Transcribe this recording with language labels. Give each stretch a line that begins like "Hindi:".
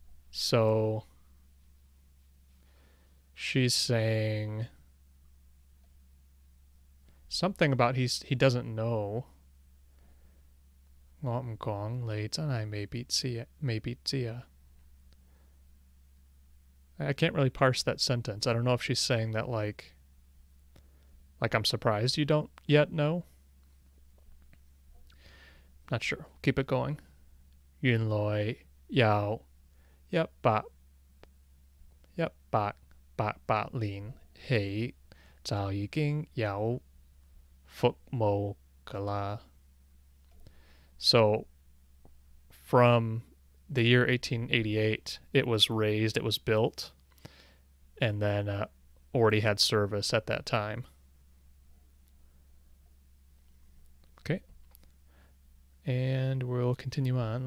English: So, she's saying something about he doesn't know.
Cantonese: 我唔講你真係未必知啊，未必知啊。
English: I can't really parse that sentence. I don't know if she's saying that like I'm surprised you don't yet know. Not sure. Keep it going.
Cantonese: 原來有一百八八年起就已经有服务噶啦。
English: So, from the year 1888, it was raised, it was built, and then already had service at that time. Okay. And we'll continue on.